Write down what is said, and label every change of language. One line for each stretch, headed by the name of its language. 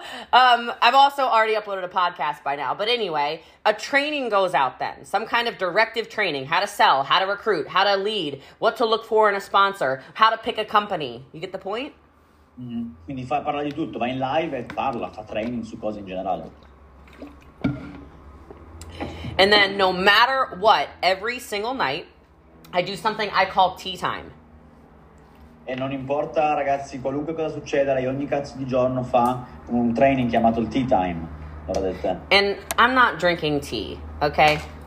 English: I've also already uploaded a podcast by now. But anyway, a training goes out then. Some kind of directive training. How to sell, how to recruit, how to lead, what to look for in a sponsor, how to pick a company. You get the point? Mm-hmm.
Italian: Quindi fa parla di tutto. Va in live e parla, fa training su cose in generale.
English: And then no matter what, every single night, I do something I call tea time.
Italian: E non importa ragazzi qualunque cosa succeda, lei ogni cazzo di giorno fa un training chiamato il tea time, l'ora del tè.
English: And I'm not drinking tea, okay?